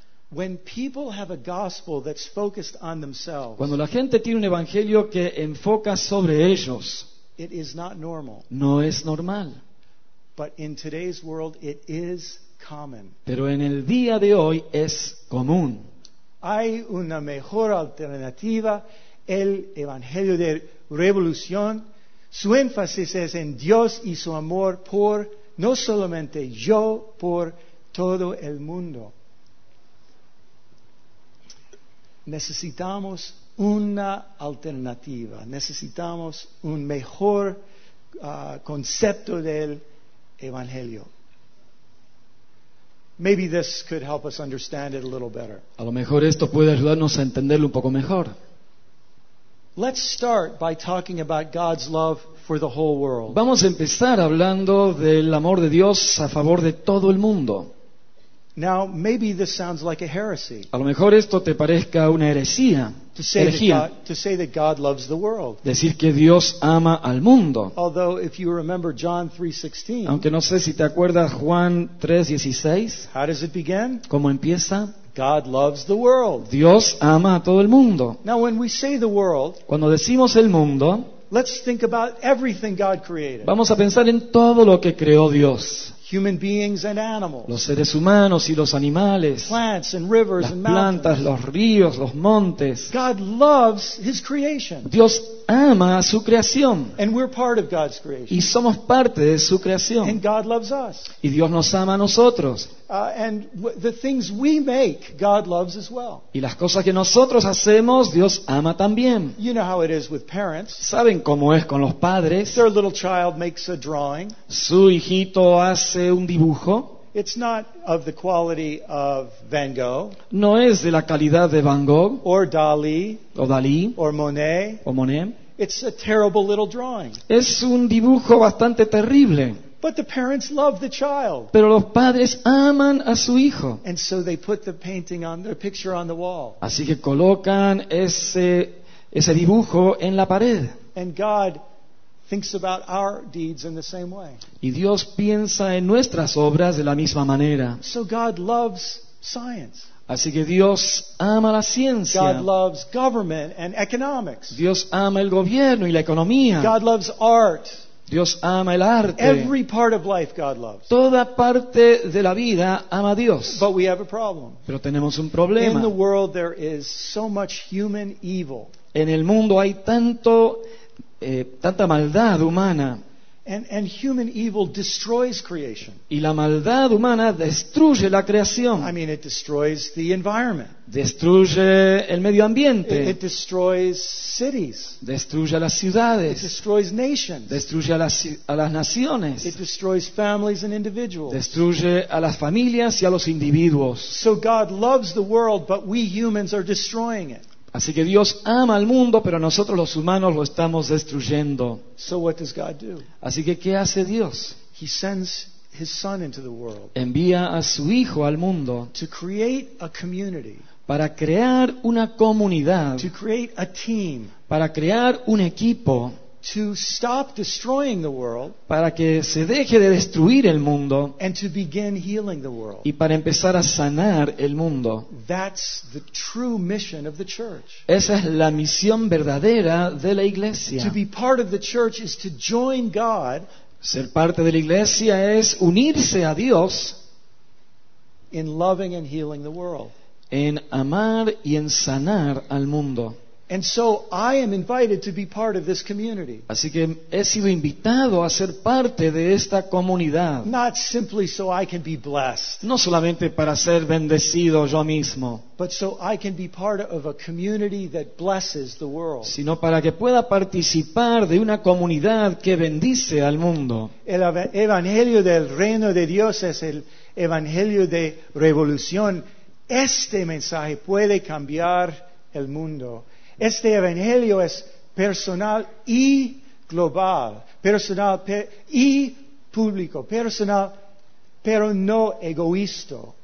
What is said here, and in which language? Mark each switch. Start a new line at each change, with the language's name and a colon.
English: When people have a gospel that's focused on themselves,
Spanish: cuando la gente tiene un evangelio que enfoca sobre ellos,
English: it is not normal.
Spanish: No es normal.
English: But in today's world, it is common.
Spanish: Pero en el día de hoy es común. Hay una mejor alternativa, el evangelio de revolución. Su énfasis es en Dios y su amor por no solamente yo, por todo el mundo. Necesitamos una alternativa. Necesitamos un mejor concepto del evangelio.
English: Maybe this could help us understand it a little better.
Spanish: A lo mejor esto puede ayudarnos a entenderlo un poco mejor.
English: Let's start by talking about God's love for the whole world.
Spanish: Vamos a empezar hablando del amor de Dios a favor de todo el mundo.
English: Now maybe this sounds like a heresy.
Spanish: A lo mejor esto te parezca una herejía.
English: To say that God loves the world.
Spanish: Decir que Dios ama al mundo.
English: Although if you remember John 3:16.
Spanish: Aunque no sé si te acuerdas Juan 3:16.
English: How does it begin?
Spanish: ¿Cómo empieza?
English: God loves the world.
Spanish: Dios ama a todo el mundo.
English: Now when we say the world,
Spanish: cuando decimos el mundo,
English: let's think about everything God created.
Spanish: Vamos a pensar en todo lo que creó Dios.
English: Human beings and animals.
Spanish: Los seres humanos y los animales.
English: Plants and rivers and mountains.
Spanish: Las plantas, los ríos, los montes.
English: God loves his creation.
Spanish: Dios ama a su creación.
English: And we're part of God's creation.
Spanish: Y somos parte de su creación.
English: And God loves us.
Spanish: Y Dios nos ama a nosotros.
English: The things we make, God loves as well.
Spanish: Y las cosas que nosotros hacemos, Dios ama también.
English: You know how it is with parents.
Spanish: ¿Saben cómo es con los padres?
English: Their little child makes a drawing.
Spanish: Su hijito hace un dibujo.
English: It's not of the quality of Van Gogh.
Spanish: No es de la calidad de Van Gogh.
English: Or Dalí.
Spanish: O Dalí.
English: Or Monet.
Spanish: O Monet.
English: It's a terrible little drawing.
Spanish: Es un dibujo bastante terrible.
English: But the parents love the child.
Spanish: Pero los padres aman a su hijo.
English: And so they put the painting on their picture on the wall.
Spanish: Así que colocan ese dibujo en la pared.
English: And God thinks about our deeds in the same way.
Spanish: Y Dios piensa en nuestras obras de la misma manera.
English: So God loves science.
Spanish: Así que Dios ama la ciencia.
English: God loves government and economics.
Spanish: Dios ama el gobierno y la economía.
English: God loves art.
Spanish: Dios ama el arte.
English: Every part of life God loves.
Spanish: Toda parte de la vida ama a Dios.
English: But we have a problem.
Spanish: Pero tenemos un problema.
English: In the world there is so much human evil.
Spanish: En el mundo hay tanta maldad humana.
English: And human evil destroys creation.
Spanish: Y la maldad humana destruye la creación.
English: I mean, it destroys the environment.
Spanish: Destruye el medio ambiente.
English: It destroys cities.
Spanish: Destruye a las ciudades.
English: It destroys nations.
Spanish: Destruye a las naciones.
English: It destroys families and individuals.
Spanish: Destruye a las familias y a los individuos.
English: So God loves the world, but we humans are destroying it.
Spanish: Así que Dios ama al mundo, pero nosotros los humanos lo estamos destruyendo.
English: So what does God do?
Spanish: Así que, ¿qué hace Dios?
English: He sends his son into the world.
Spanish: Envía a su hijo al mundo.
English: To create a community.
Spanish: Para crear una comunidad.
English: To create a team.
Spanish: Para crear un equipo.
English: to stop destroying the world,
Spanish: para que se deje de destruir el mundo,
English: and to begin healing the world,
Spanish: y para empezar a sanar el mundo.
English: That's the true mission of the church.
Spanish: Esa es la misión verdadera de la iglesia.
English: To be part of the church is to join God.
Spanish: Ser parte de la iglesia es unirse a Dios
English: in loving and healing the world.
Spanish: En amar y en sanar al mundo.
English: And so I am invited to be part of this community.
Spanish: Así que he sido invitado a ser parte de esta comunidad.
English: Not simply so I can be blessed.
Spanish: No solamente para ser bendecido yo mismo.
English: But so I can be part of a community that blesses the world.
Spanish: Sino para que pueda participar de una comunidad que bendice al mundo. El evangelio del reino de Dios es el evangelio de revolución. Este mensaje puede cambiar el mundo. Este evangelio es personal y global, personal y público, personal, pero no egoísta.